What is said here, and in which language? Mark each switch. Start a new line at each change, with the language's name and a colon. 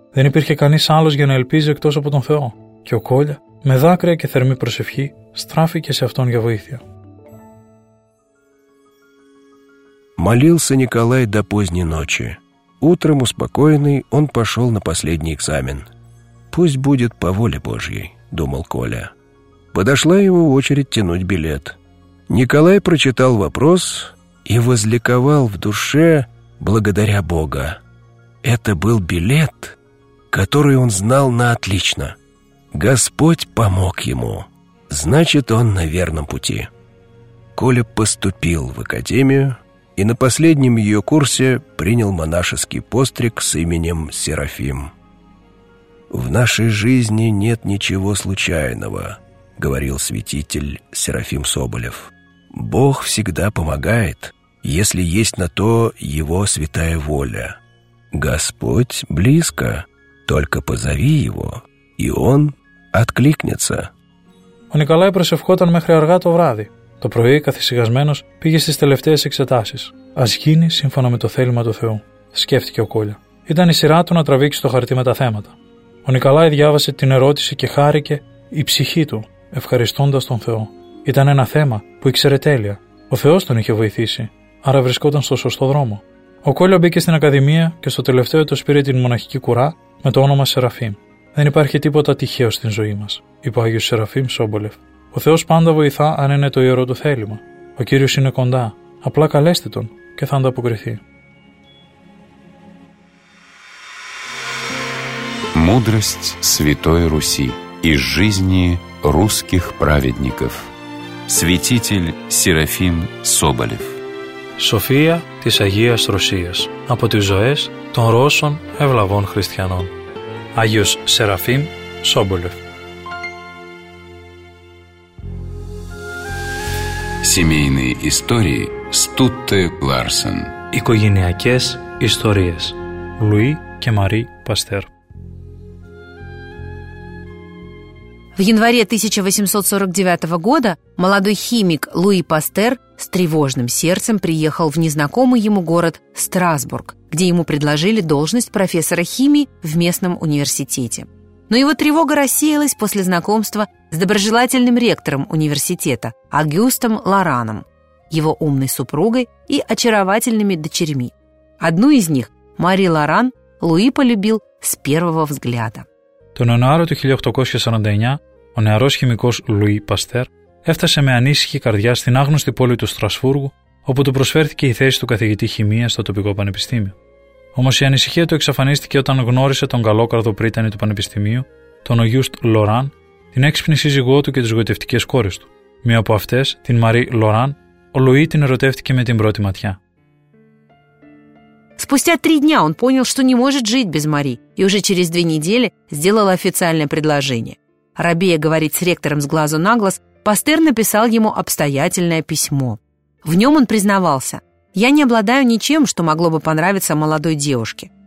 Greek: Δεν υπήρχε κανείς άλλος για να ελπίζει εκτός από τον Θεό. Και ο Κόλια, με δάκρυα και θερμή προσευχή, στράφηκε σε αυτόν για βοήθεια.
Russian: Молился Николай до поздней ночи. Утром успокоенный, он пошел на последний экзамен. «Пусть будет по воле Божьей», — думал Коля. Подошла его очередь тянуть билет. Николай прочитал вопрос и возликовал в душе благодаря Бога. Это был билет, который он знал на отлично. Господь помог ему. Значит, он на верном пути. Коля поступил в академию и на последнем ее курсе принял монашеский постриг с именем Серафим. «В нашей жизни нет ничего случайного», — говорил святитель Серафим Соболев. «Бог всегда помогает, если есть на то Его святая воля. Господь близко, только позови Его, и Он откликнется».
Greek: Ο Νικολάη προσευχόταν μέχρι αργά το βράδυ. Το πρωί, καθησυχασμένος, πήγε στις τελευταίες εξετάσεις. «Ας γίνει σύμφωνα με το θέλημα του Θεού», σκέφτηκε ο Κόλια. Ήταν η σειρά του να τραβήξει το χαρτί με τα θέματα. Ο Νικολάη διάβασε την ερώτηση και χάρηκε η ψυχή του, ευχαριστώντας τον Θεό. Ήταν ένα θέμα που ήξερε τέλεια. Ο Θεός τον είχε βοηθήσει, άρα βρισκόταν στο σωστό δρόμο. Ο Κόλια μπήκε στην Ακαδημία και στο τελευταίο έτος πήρε την μοναχική κουρά με το όνομα Σεραφείμ. «Δεν υπάρχει τίποτα τυχαίο στην ζωή μας», είπε ο Άγιος Σεραφείμ Σόμπολεφ. «Ο Θεός πάντα βοηθά αν είναι το ιερό του θέλημα. Ο Κύριος είναι κοντά. Απλά καλέστε τον και θα ανταποκριθεί».
Russian: Мудрость Святой Руси из жизни русских праведников. Святитель Серафим Соболев.
Greek: София της Агίας Ρωσίας. Από τις ζωές των Ρώσων ευλαβών χριστιανών. Άγιος Σεραφείμ Σόμπολεφ.
Russian: Семейные истории Стутте Ларсен.
Greek: Οικογενειακές ιστορίες. Λουί και Μαρί Παστέρ.
Russian: В январе 1849 года молодой химик Луи Пастер с тревожным сердцем приехал в незнакомый ему город Страсбург, где ему предложили должность профессора химии в местном университете. Но его тревога рассеялась после знакомства с доброжелательным ректором университета Агюстом Лораном, его умной супругой и очаровательными дочерьми. Одну из них, Мари Лоран, Луи полюбил с первого взгляда.
Greek: Τον Ιανουάριο του 1849 ο νεαρός χημικός Λουί Παστέρ έφτασε με ανήσυχη καρδιά στην άγνωστη πόλη του Στρασβούργου, όπου του προσφέρθηκε η θέση του καθηγητή χημίας στο τοπικό πανεπιστήμιο. Όμως η ανησυχία του εξαφανίστηκε όταν γνώρισε τον καλόκαρδο πρίτανη του πανεπιστημίου, τον Ογιούστ Λοράν, την έξυπνη σύζυγό του και τις γοητευτικές κόρες του. Μία από αυτές, την Μαρί Λοράν, ο Λουί την ερωτεύτηκε με την πρώτη ματιά.
Russian: Спустя три дня он понял, что не может жить без Мари, и уже через две недели сделал официальное предложение. Робея говорить с ректором с глазу на глаз, Пастер написал ему обстоятельное письмо. В нем он признавался: «Я не обладаю ничем, что могло бы понравиться молодой девушке.